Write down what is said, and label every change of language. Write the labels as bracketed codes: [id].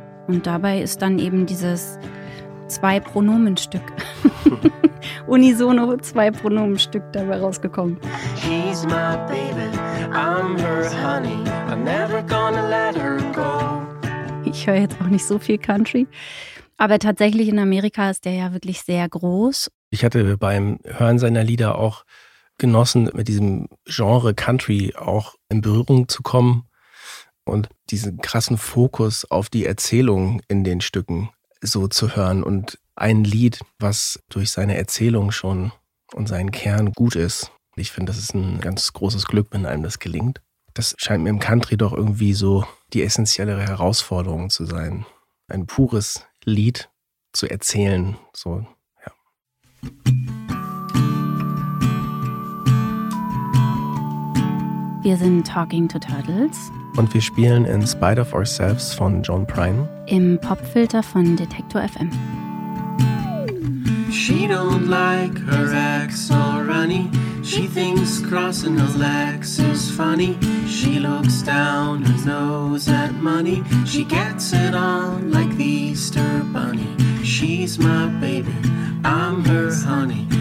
[de] Und dabei ist dann eben dieses Zwei-Pronomen-Stück, unisono Zwei-Pronomen-Stück dabei rausgekommen. [en] She's my baby, I'm her honey, I'm never gonna let her go. [de] ich höre jetzt auch nicht so viel Country. Aber tatsächlich in Amerika ist der ja wirklich sehr groß. Ich hatte beim Hören seiner Lieder auch genossen, mit diesem Genre Country auch in Berührung zu kommen und diesen krassen Fokus auf die Erzählung in den Stücken so zu hören. Und ein Lied, was durch seine Erzählung schon und seinen Kern gut ist. Ich finde, das ist ein ganz großes Glück, wenn einem das gelingt. Das scheint mir im Country doch irgendwie so die essentiellere Herausforderung zu sein, ein pures Lied zu erzählen. So, ja. Wir sind Talking to Turtles. Und wir spielen In Spite of Ourselves von John Prine. Im Popfilter von Detektor FM. [en] She don't like her ex all runny. She thinks crossing her legs is funny. She looks down her nose at money. She gets it on like the Easter bunny. She's my baby, I'm her honey.